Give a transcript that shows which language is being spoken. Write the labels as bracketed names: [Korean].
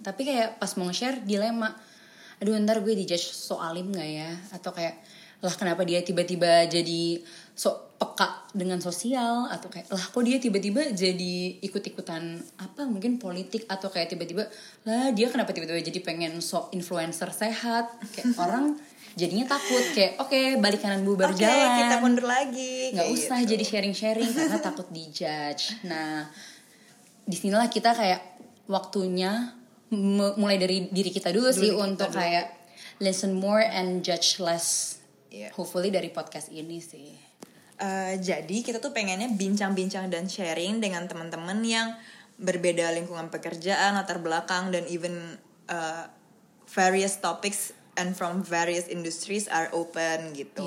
[Indonesian] Tapi kayak pas mau share dilema, aduh ntar gue dijudge so alim gak ya, atau kayak lah kenapa dia tiba-tiba jadi so peka dengan sosial, atau kayak lah kok dia tiba-tiba jadi ikut-ikutan apa mungkin politik, atau kayak tiba-tiba lah dia kenapa tiba-tiba jadi pengen so influencer sehat, kayak orang jadinya takut kayak okay, balik kanan bubar jalan. Oke, kita mundur lagi. Enggak usah gitu. Jadi sharing-sharing karena takut dijudge. Nah, disinilah kita kayak waktunya mulai dari diri kita dulu sih untuk dulu. Kayak [English] listen more and judge less. Yeah. [Indonesian] Hopefully dari podcast ini sih. Jadi kita tuh pengennya bincang-bincang dan sharing dengan teman-teman yang berbeda lingkungan pekerjaan, latar belakang, dan [English] even various topics and from various industries are open [Indonesian] gitu.